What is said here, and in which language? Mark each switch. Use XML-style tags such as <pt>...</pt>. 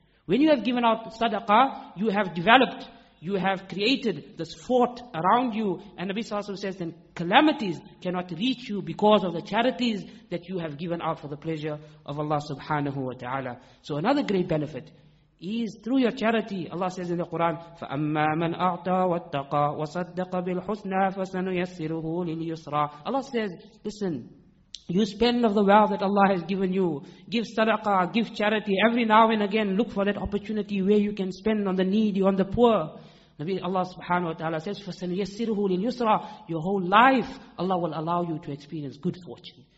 <en>When you have given out sadaqah, you have developed, you have created this fort around you. And Nabi sallallahu alayhi wa sallam says, then calamities cannot reach you because of the charities that you have given out for the pleasure of Allah subhanahu wa ta'ala. So another great benefit is through your charity. Allah says in the Quran,</en> <ar>فَأَمَّا مَنْ أَعْتَى وَاتَّقَى وَصَدَّقَ بِالْحُسْنَى فَسَنُيَسِّرُهُ لِلْيُسْرَى.</ar> <en>Allah says, listen, you spend of the wealth that Allah has given you. Give sadaqah, give charity. Every now and again, look for that opportunity where you can spend on the needy, on the poor. Nabi Allah subhanahu wa ta'ala says,</en> <ar>فَسَنُيَسِّرُهُ لِلْيُسْرَى.</ar> <en>Your whole life, Allah will allow you to experience good fortune.</en>